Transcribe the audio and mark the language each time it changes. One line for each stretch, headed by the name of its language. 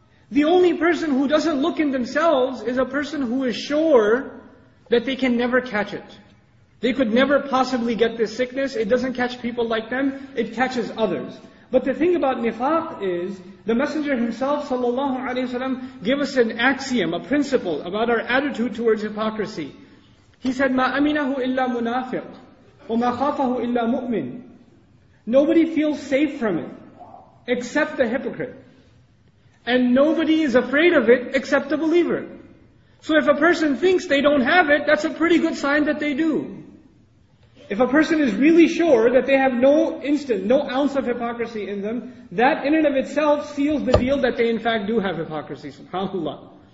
English: The only person who doesn't look in themselves is a person who is sure that they can never catch it. They could never possibly get this sickness. It doesn't catch people like them. It catches others. But the thing about nifaq is, the Messenger himself, sallallahu alaihi wasallam, gave us an axiom, a principle about our attitude towards hypocrisy. He said,
Arabic: مَا أَمِنَهُ إِلَّا مُنَافِقٌ وَمَا خَافَهُ إِلَّا مُؤْمِنٌ.
English: Nobody feels safe from it, except the hypocrite. And nobody is afraid of it except the believer. So if a person thinks they don't have it, that's a pretty good sign that they do. If a person is really sure that they have no ounce of hypocrisy in them, that in and of itself seals the deal that they in fact do have hypocrisy, subhanAllah.